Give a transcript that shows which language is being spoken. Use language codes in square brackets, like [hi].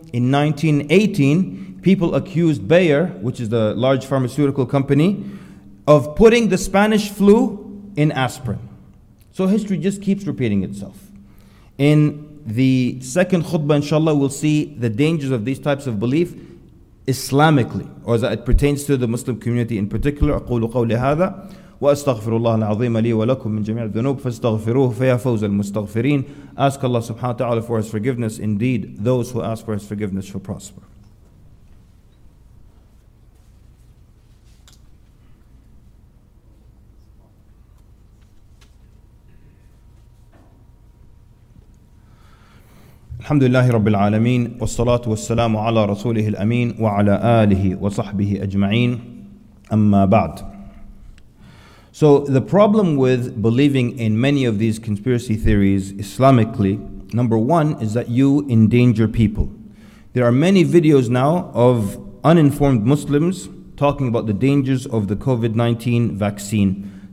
[en] In 1918, people accused Bayer, which is the large pharmaceutical company, of putting the Spanish flu in aspirin. So history just keeps repeating itself. In the second khutbah, inshallah, we'll see the dangers of these types of belief Islamically, or as it pertains to the Muslim community in particular. [ar] أقول قولي هذا وأستغفر الله العظيم لي ولكم من جميع الذنوب فاستغفروه فيا فوز المستغفرين. [en] Ask Allah subhanahu wa ta'ala for His forgiveness. Indeed, those who ask for His forgiveness shall prosper. [ar] الحمد لله رب العالمين والصلاة والسلام على رسوله الأمين وعلى آله وصحبه أجمعين أما بعد. [en] So the problem with believing in many of these conspiracy theories Islamically, number one, is that you endanger people. There are many videos now of uninformed Muslims talking about the dangers of the COVID-19 vaccine.